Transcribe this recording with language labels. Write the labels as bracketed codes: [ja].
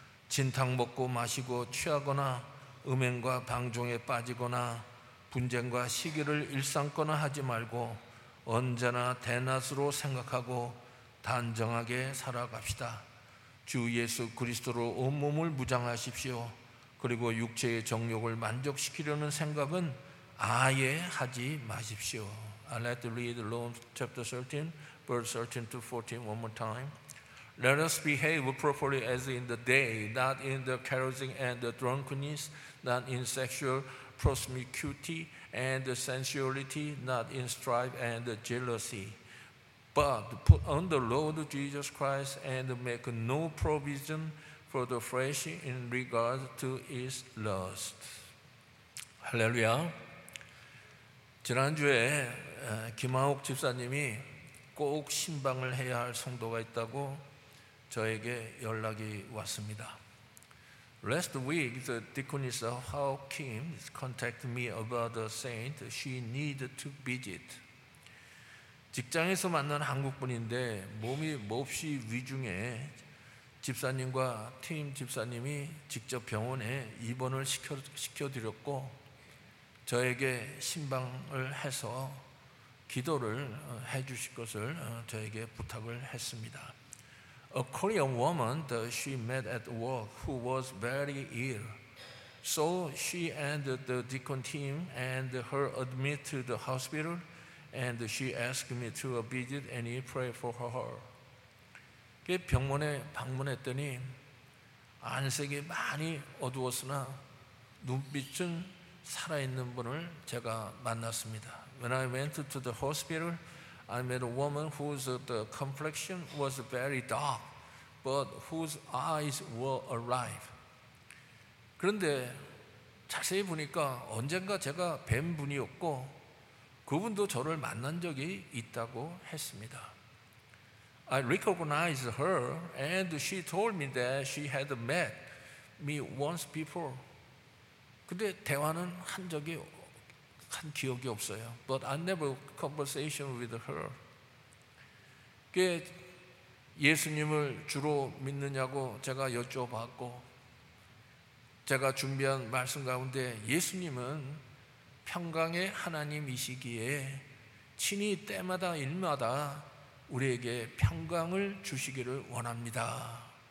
[ko] 진탕 먹고 마시고 취하거나 음행과 방종에 빠지거나 분쟁과 시기를 일삼거나 하지 말고 언제나 대낮으로 생각하고 단정하게 살아갑시다. 주 예수 그리스도로 온몸을 무장하십시오. 그리고 육체의 정욕을 만족시키려는 생각은 아예 하지 마십시오. [en] I'd like to read Romans chapter 13, verse 13 to 14 one more time. Let us behave properly as in the day, not in the carousing and the drunkenness, not in sexual promiscuity and the sensuality, not in strife and the jealousy. But put on the Lord Jesus Christ and make no provision for the flesh in regard to its lust. Hallelujah. [ko] 지난주에 김하옥 집사님이 꼭 신방을 해야 할 성도가 있다고 저에게 연락이 왔습니다. [en] Last week, the deaconess Hao Kim contacted me about a saint she needed to visit. [ko] 직장에서 만난 한국분인데 몸이 몹시 위중해 집사님과 팀 집사님이 직접 병원에 입원을 시켜드렸고 저에게 신방을 해서 기도를 해 주실 것을 저에게 부탁을 했습니다. [en] A Korean woman that she met at work who was very ill. So she and the deacon team and her admit to the hospital and she asked me to visit and pray for her. [ko] 병원에 방문했더니 안색이 많이 어두웠으나 눈빛은 살아있는 분을 제가 만났습니다. [en] When I went to the hospital, I met a woman whose the complexion was very dark, but whose eyes were alive. [ko] 그런데 자세히 보니까 언젠가 제가 뵌 분이었고 그분도 저를 만난 적이 있다고 했습니다. [en] I recognized her and she told me that she had met me once before. [ko] 근데 대화는 한 적이 한 기억이 없어요. [en] But I never conversation with her. [ko] 예수님을 주로 믿느냐고 제가 여쭤봤고 제가 준비한 말씀 가운데 예수님은 평강의 하나님이시기에 친히 때마다 일마다 우리에게 평강을 주시기를 원합니다.